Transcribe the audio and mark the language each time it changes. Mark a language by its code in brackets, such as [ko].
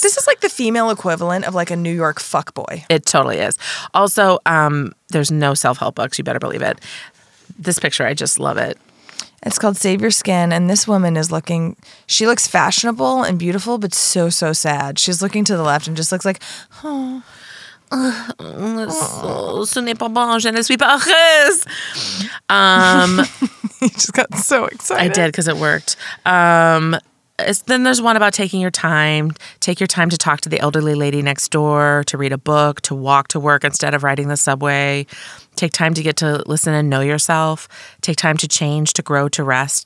[en] This is like the female equivalent of like a New York fuckboy. It totally is. Also, there's no self-help books. You better believe it. This picture, I just love it. It's called Save Your Skin, and this woman is looking, she looks fashionable and beautiful, but so, so sad. She's looking to the left and just looks like, oh, [fr] ce n'est pas bon, je ne suis pas heureuse. [en] He just got so excited. I did, because it worked. Then there's one about taking your time. Take your time to talk to the elderly lady next door, to read a book, to walk to work instead of riding the subway. Take time to get to listen and know yourself. Take time to change, to grow, to rest.